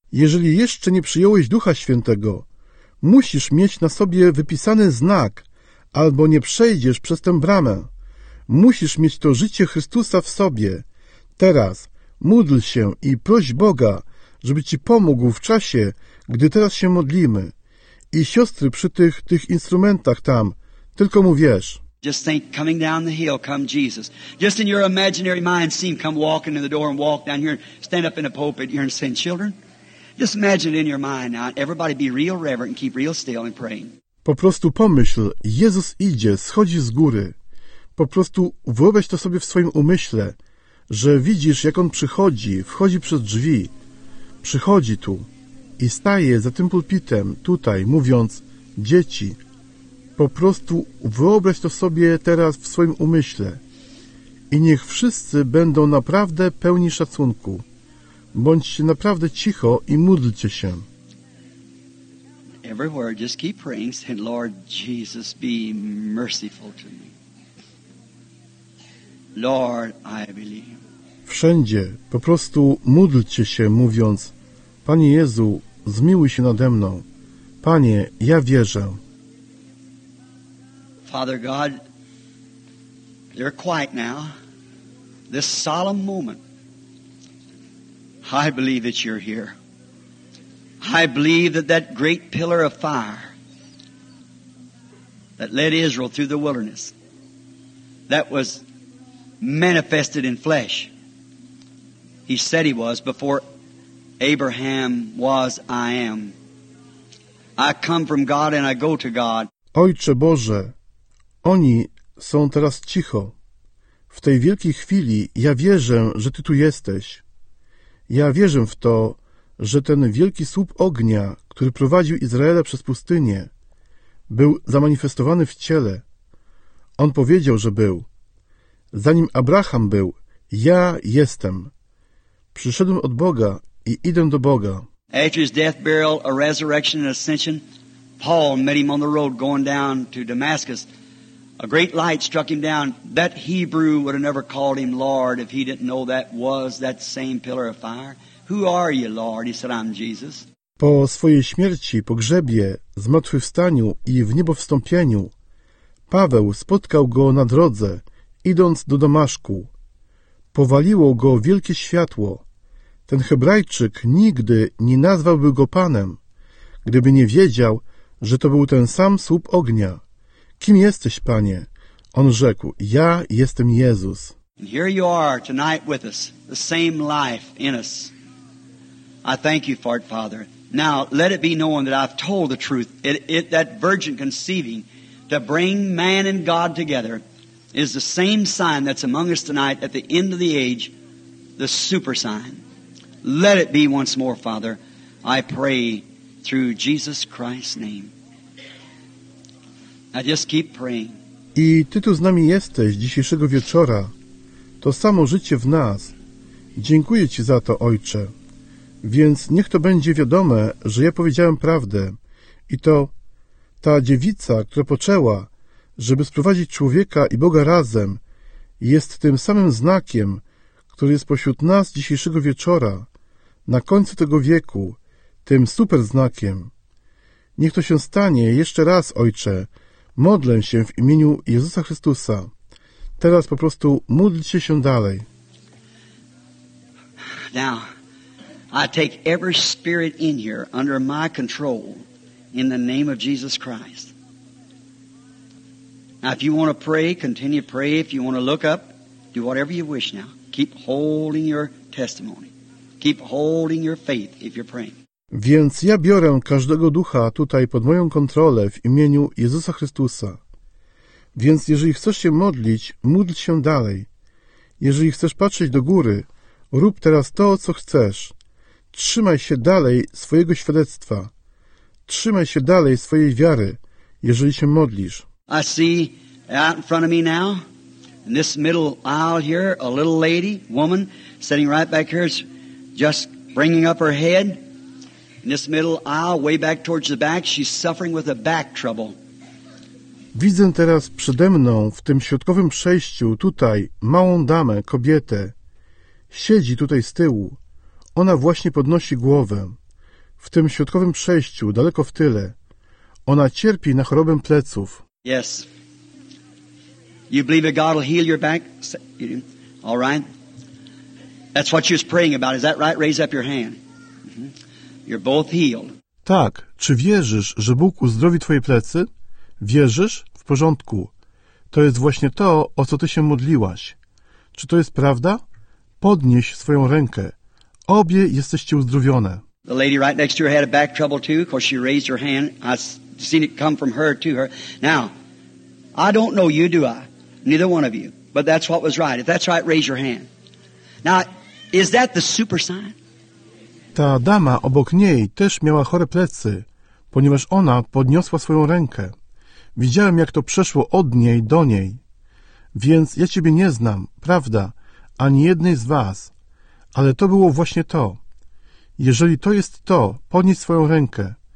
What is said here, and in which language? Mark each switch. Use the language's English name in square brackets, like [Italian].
[Polish] Jeżeli jeszcze nie przyjąłeś Ducha Świętego, musisz mieć na sobie wypisany znak, albo nie przejdziesz przez tę bramę. Musisz mieć to życie Chrystusa w sobie. Teraz módl się i proś Boga, żeby ci pomógł w czasie, gdy teraz się modlimy. I siostry przy tych instrumentach tam, tylko mu wierz. [English] Just think, coming down the hill, come Jesus. Just in your imaginary mind, see him come walking in the door and walk down here and stand up in a pulpit here and say, children, just imagine it in your mind now. Everybody be real reverent and keep real still and praying. [Polish] Po prostu pomyśl, Jezus idzie, schodzi z góry. Po prostu wyobraź to sobie w swoim umyśle, że widzisz, jak On przychodzi, wchodzi przez drzwi, przychodzi tu i staje za tym pulpitem, tutaj, mówiąc, dzieci, po prostu wyobraź to sobie teraz w swoim umyśle i niech wszyscy będą naprawdę pełni szacunku. Bądźcie naprawdę cicho i módlcie się. [English] Everywhere, just keep praying, saying, Lord Jesus, be merciful to me. Lord, I believe. [Polish] Wszędzie, po prostu módlcie się, mówiąc, Panie Jezu, zmiłuj się nade mną. Panie, ja wierzę. [English] Father God, you're quiet now. This solemn moment, I believe that you're here. I believe that that great pillar of fire that led Israel through the wilderness, that was manifested in flesh. He said he was before Abraham was, I am. I come from God and I go to God. [Polish] Ojcze Boże, oni są teraz cicho. W tej wielkiej chwili ja wierzę, że Ty tu jesteś. Ja wierzę w to, że ten wielki słup ognia, który prowadził Izraela przez pustynię, był zamanifestowany w ciele. On powiedział, że był. Zanim Abraham był, ja jestem. Przyszedłem od Boga i idę do Boga. [English] After his death, burial, a resurrection and ascension, Paul met him on the road going down to Damascus. A great light struck him down. That Hebrew would have never called him Lord if he didn't know that was that same pillar of fire. Who are you, Lord? He said, I'm Jesus. [Polish] Po swojej śmierci, po grzebie, zmartwychwstaniu i w niebowstąpieniu, Paweł spotkał go na drodze, idąc do Damaszku. Powaliło go wielkie światło. Ten Hebrajczyk nigdy nie nazwałby go Panem, gdyby nie wiedział, że to był ten sam słup ognia. Kim jesteś, Panie? On rzekł, ja jestem Jezus. [English] And here you are tonight with us, the same life in us. I thank you for it, Father. Now, let it be known that I've told the truth. That virgin conceiving to bring man and God together is the same sign that's among us tonight at the end of the age, the super sign. Let it be once more, Father. I pray through Jesus Christ's name. Now, just keep praying. [Polish] I Ty tu z nami jesteś dzisiejszego wieczora. To samo życie w nas. Dziękuję Ci za to, Ojcze. Więc niech to będzie wiadome, że ja powiedziałem prawdę i to ta dziewica, która poczęła, żeby sprowadzić człowieka i Boga razem, jest tym samym znakiem, który jest pośród nas dzisiejszego wieczora, na końcu tego wieku, tym super znakiem. Niech to się stanie jeszcze raz, Ojcze, modlę się w imieniu Jezusa Chrystusa. Teraz po prostu módlcie się dalej. [English] Now. I take every spirit in here under my control in the name of Jesus Christ. Now, if you want to pray, continue to pray. If you want to look up, do whatever you wish now. Keep holding your testimony. Keep holding your faith if you're praying. [Polish] Więc ja biorę każdego ducha tutaj pod moją kontrolę w imieniu Jezusa Chrystusa. Więc jeżeli chcesz się modlić, módl się dalej. Jeżeli chcesz patrzeć do góry, rób teraz to, co chcesz. Trzymaj się dalej swojego świadectwa. Trzymaj się dalej swojej wiary, jeżeli się modlisz. [English] I see out in front of me now, in this middle aisle here, a little lady, woman, sitting right back here, just bringing up her head. In this middle aisle, way back towards the back, she's suffering with a back trouble. [Polish] Widzę teraz przede mną, w tym środkowym przejściu, tutaj, małą damę, kobietę. Siedzi tutaj z tyłu. Ona właśnie podnosi głowę. W tym środkowym przejściu, daleko w tyle, ona cierpi na chorobę pleców. [English] Yes. You believe that God will heal your back? All right. That's what she was praying about. Is that right? Raise up your hand. You're both healed. [Polish] Tak, czy wierzysz, że Bóg uzdrowi twoje plecy? Wierzysz? W porządku. To jest właśnie to, o co ty się modliłaś. Czy to jest prawda? Podnieś swoją rękę. Obie jesteście uzdrowione. [English] The lady right next to her had a back trouble too, because she raised her hand. I seen it come from her to her. Now, I don't know you, do I? Neither one of you. But that's what was right. If that's right, raise your hand. Now, is that the super sign? [Polish] Ta dama obok niej też miała chore plecy, ponieważ ona podniosła swoją rękę. Widziałem, jak to przeszło od niej do niej. Więc ja ciebie nie znam, prawda, ani jednej z was. Ale to było właśnie to. Jeżeli to jest to, podnieś swoją rękę.